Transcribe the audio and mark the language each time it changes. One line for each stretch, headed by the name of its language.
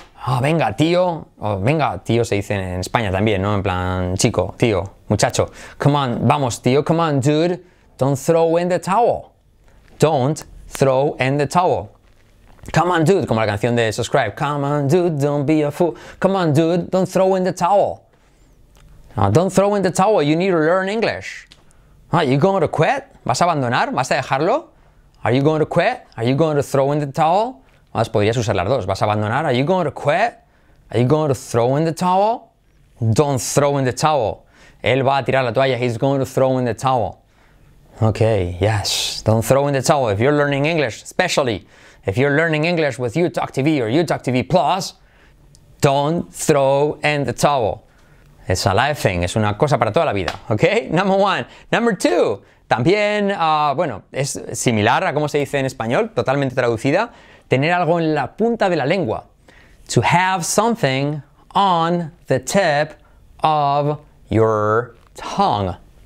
Spanish: Oh, venga, tío, venga, tío se dice en España también, ¿no? En plan, chico, tío, muchacho,
English: come on,
Spanish: vamos, tío,
English: come on, dude, don't throw in the towel, don't throw in the towel. Come on, dude,
Spanish: como la canción de Subscribe.
English: Come on, dude, don't be a fool. Come on, dude, don't throw in the towel. Don't throw in the towel, you need to learn English. Are you going to quit?
Spanish: ¿Vas a abandonar? ¿Vas a dejarlo?
English: Are you going to quit? Are you going to throw in the towel?
Spanish: Más podrías usar las dos. ¿Vas a abandonar?
English: Are you going to quit? Are you going to throw in the towel? Don't throw in the towel.
Spanish: Él va a tirar la toalla.
English: He's going to throw in the towel. Okay, yes. Don't throw in the towel. If you're learning English, especially, if you're learning English with YouTalk TV or YouTalk TV Plus, don't throw in the towel. It's a life thing.
Spanish: Es una cosa para toda la vida.
English: Okay? Number one. Number two.
Spanish: También, bueno, es similar a cómo se dice en español, totalmente traducida. Tener algo en la punta de la lengua.
English: To have something on the tip of your tongue.